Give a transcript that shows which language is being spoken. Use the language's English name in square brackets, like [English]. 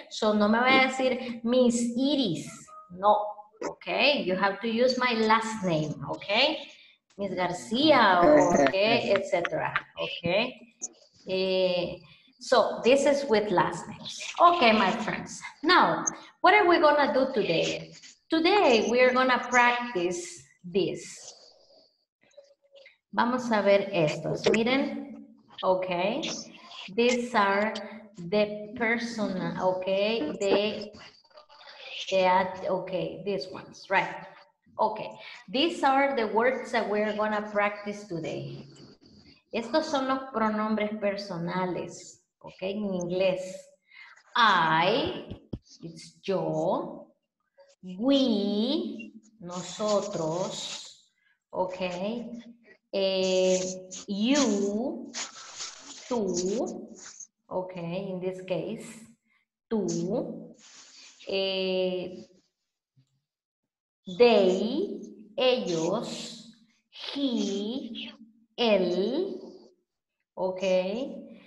[Spanish] So no me voy a decir Miss Iris, no, okay? [English] You have to use my last name, okay? Miss García, okay, etc. Okay. So this is with last names. Okay, my friends. Now, what are we gonna do today? Today we are gonna practice this. [Spanish] Vamos a ver estos. Miren. Okay. [English] These are the personal, okay. Okay, these ones, right. Okay, these are the words that we're gonna practice today. [Spanish] Estos son los pronombres personales, okay, en inglés. [English] I, it's yo. We, nosotros. Okay. You, tú, okay, in this case, tú, they, ellos, he, él, okay,